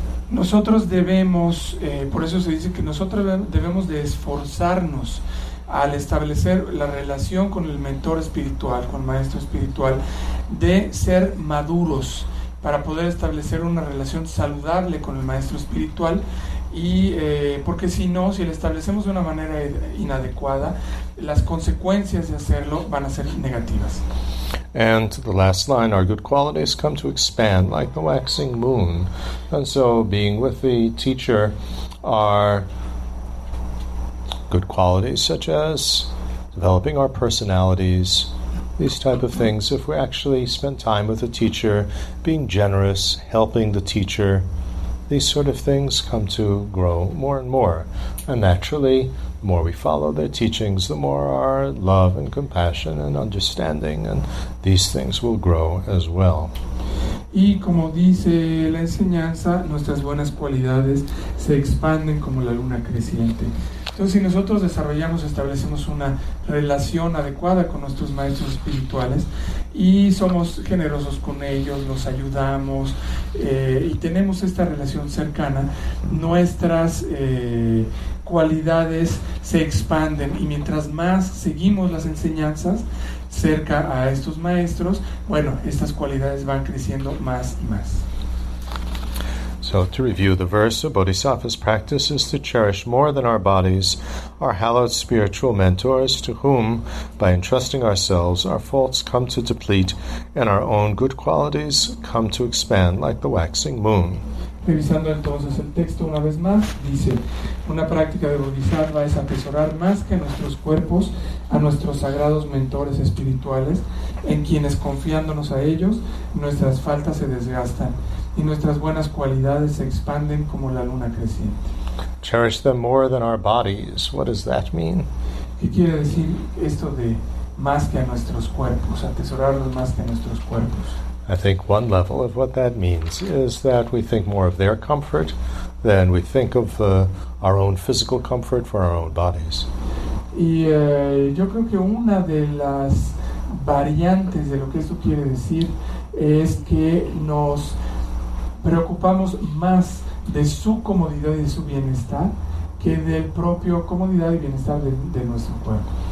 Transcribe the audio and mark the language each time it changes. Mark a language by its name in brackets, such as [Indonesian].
[Spanish] Nosotros debemos, por eso se dice que nosotros debemos de esforzarnos al establecer la relación con el mentor espiritual, con el maestro espiritual, de ser maduros para poder establecer una relación saludable con el maestro espiritual. Y porque si no, si lo establecemos de una manera inadecuada, las consecuencias de hacerlo van a ser negativas. [English] And the last line, our good qualities come to expand like the waxing moon. And so being with the teacher, our good qualities such as developing our personalities, these type of things, if we actually spend time with the teacher, being generous, helping the teacher, these sort of things come to grow more and more. And naturally, the more we follow their teachings, the more our love and compassion and understanding and these things will grow as well. [Spanish] Y como dice la enseñanza, nuestras buenas cualidades se expanden como la luna creciente. Entonces, si nosotros desarrollamos, establecemos una relación adecuada con nuestros maestros espirituales y somos generosos con ellos, los ayudamos y tenemos esta relación cercana, nuestras cualidades se expanden y mientras más seguimos las enseñanzas cerca a estos maestros, bueno, estas cualidades van creciendo más y más. [English] So to review the verse, a bodhisattva's practice is to cherish more than our bodies, our hallowed spiritual mentors to whom, by entrusting ourselves, our faults come to deplete and our own good qualities come to expand like the waxing moon. [Spanish] Revisando entonces el texto una vez más, dice, una práctica de bodhisattva es atesorar más que nuestros cuerpos a nuestros sagrados mentores espirituales, en quienes confiándonos a ellos, nuestras faltas se desgastan. Y nuestras buenas cualidades se expanden como la luna creciente. [English] Cherish them more than our bodies. What does that mean? [Spanish] ¿Qué quiere decir esto de más que a nuestros cuerpos, atesorarlos más que a nuestros cuerpos? [English] I think one level of what that means is that we think more of their comfort than we think of our own physical comfort for our own bodies. [Spanish] Y yo creo que una de las variantes de lo que esto quiere decir es que nos preocupamos más de su comodidad y de su bienestar que del propio comodidad y bienestar de nuestro cuerpo.